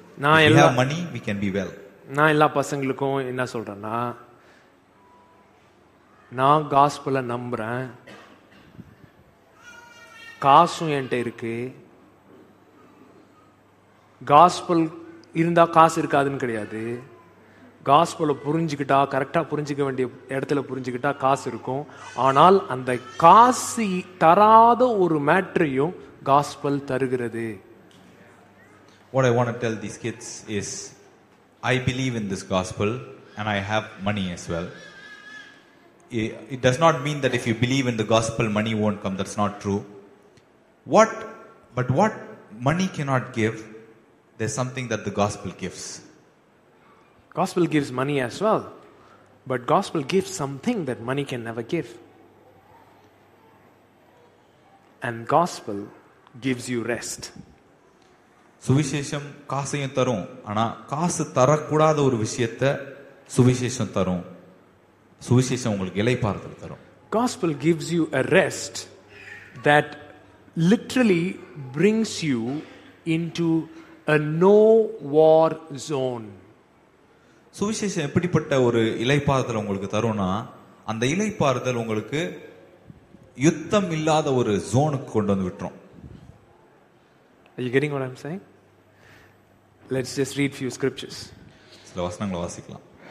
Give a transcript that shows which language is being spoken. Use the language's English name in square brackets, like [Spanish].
[English] Nah, if we have money, we can be well. [Tamil] நான் எல்லா பசங்களுக்கும் என்ன சொல்றேன்னா, நான் காஸ்பல நம்புறேன், காசும் என்கிட்ட இருக்கு, காஸ்பல் இருந்தா காசு இருக்காதுன்னு கிடையாது, காஸ்பலை புரிஞ்சுக்கிட்டா, கரெக்டாக புரிஞ்சுக்க வேண்டிய இடத்துல புரிஞ்சுக்கிட்டா காசு இருக்கும், ஆனால் அந்த காசு தராத ஒரு மேட்டரையும் காஸ்பல் தருகிறது. [English] What I want to tell these kids is, I believe in this gospel and I have money as well. It does not mean that if you believe in the gospel, money won't come. That's not true. But what money cannot give, there's something that the gospel gives. Gospel gives money as well. But gospel gives something that money can never give. And gospel gives you rest. [Tamil] சுவிசேஷம் காசையும் தரும், ஆனா காசு தரக்கூடாத ஒரு விஷயத்தை சுவிசேஷம் தரும். சுவிசேஷம் உங்களுக்கு இளைப்பாறுதல் தரும். [English] Gospel gives you a rest that literally brings you into a no war zone. [Tamil] சுவிசேஷம் எப்படிப்பட்ட ஒரு இளைப்பாறுதல் உங்களுக்கு தரும்னா, அந்த இளைப்பாறுதல் உங்களுக்கு யுத்தம் இல்லாத ஒரு ஜோனுக்கு கொண்டு வந்து விட்டுரும். [English] Are you getting what I'm saying? Let's just read few scriptures. [Tamil] சில வசனங்களை வாசிக்கலாம்.